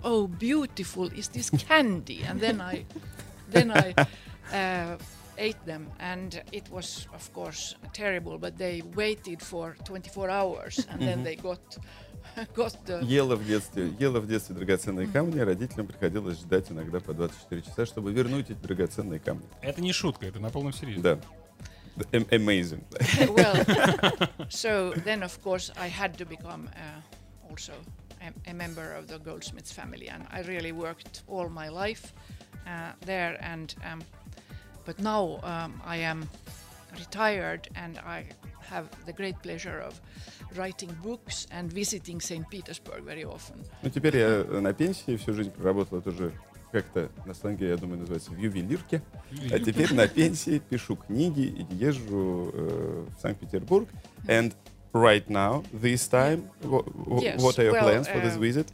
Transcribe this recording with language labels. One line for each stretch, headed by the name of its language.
English: Oh, beautiful! Is this candy? And then I. Then I ate them, and it was, of course, terrible. But they waited for 24 hours, and then they got the.
Russian: Ела в детстве драгоценные камни. Родителям приходилось ждать иногда по 24 часа, чтобы вернуть эти драгоценные камни. Это не шутка, это на полном серьезе.
English: Да. Amazing. Well, so then, of course, I had to become also a member of the goldsmith's family, and I really worked all my life. There and but now I am retired, and I have the great pleasure of writing books and visiting St. Petersburg very often.
Russian: Ну теперь я на пенсии, всю жизнь проработала тоже как-то на сленге, я думаю, называется в ювелирке. А теперь на пенсии пишу книги и езжу в Санкт-Петербург.
English: And right now, this time, what are your plans for this visit?